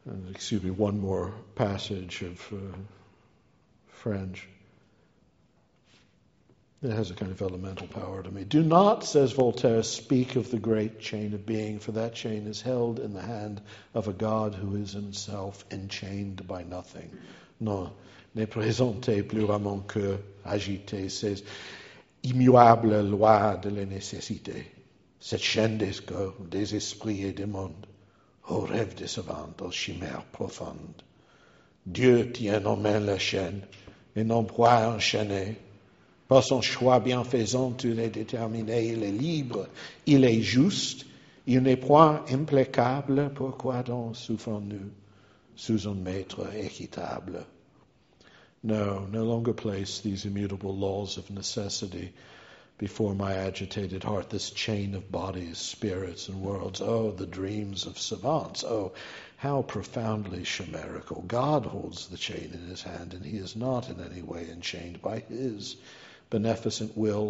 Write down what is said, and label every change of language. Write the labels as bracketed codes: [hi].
[en] Excuse me, one more passage of French. It has a kind of elemental power to me. Do not, says Voltaire, speak of the great chain of being, for that chain is held in the hand of a God who is himself enchained by nothing. [fr] Non, ne présentez plus à mon cœur agité ces immuables lois de la nécessité, cette chaîne des corps, des esprits et des mondes. Au rêve décevant, aux chimères profondes. Dieu tient en main la chaîne, et non point enchaîné. Par son choix bienfaisant, il est déterminé, il est libre, il est juste, Il n'est point implacable pourquoi donc souffrons-nous sous un maître équitable. [en] No, no longer place these immutable laws of necessity before my agitated heart, this chain of bodies, spirits, and worlds. Oh, the dreams of savants. Oh, how profoundly chimerical. God holds the chain in his hand, and he is not in any way enchained by his beneficent will.